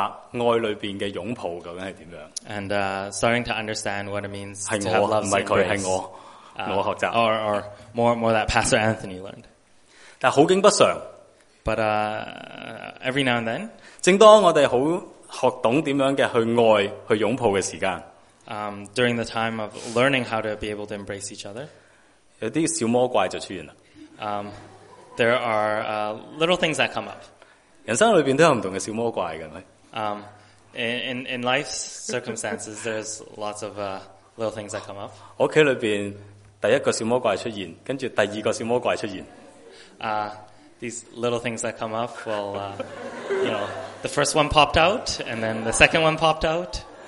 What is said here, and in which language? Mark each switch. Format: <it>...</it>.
<zh>我們就學習明白愛裡面的擁抱究竟是怎樣。</zh> <en>And starting to understand what it means to have love in grace.</en> <zh>是我,不是他,是我,我學習。</zh> <en>Or more that Pastor Anthony learned.</en> <zh>但好景不常。</zh> <en>But every now and then,</en> <zh>正當我們很學懂怎樣的去愛,去擁抱的時間,</zh> <en>during the time of learning how to be able to embrace each other,</en> <zh>有些小魔怪就出現了。</zh> <en>There are little things that come up.</en> <zh>人生裡面都有不同的小魔怪的,</zh> <en>in life's circumstances, there's lots of little things that come up.</en> <zh>我家裡面第一個小魔怪出現,接著第二個小魔怪出現。</zh> <en>These little things that come up, well, the first one popped out, and then the second one popped out.</en>